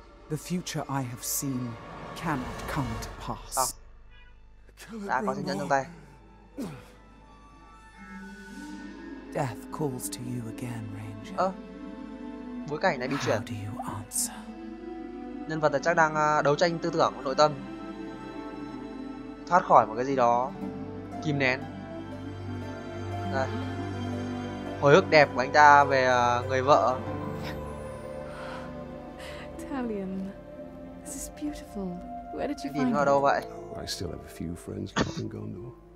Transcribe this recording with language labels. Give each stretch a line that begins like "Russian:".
English: The future I have seen cannot come to pass.
Vietnamese: Đã có chỉ dẫn trong tay.
English: Death calls to you again, Ranger.
Vietnamese: Bối cảnh này bị chuyển.
English: How do you answer?
Vietnamese: Nhân vật chắc đang đấu tranh tư tưởng nội tâm. Thoát khỏi một cái gì đó kìm nén. Đây. Hồi ức đẹp của anh ta về người vợ.
English: Talion, this is beautiful. Where did you find it?
Vietnamese: Đâu vậy?
English: I still have a few friends in Gondor.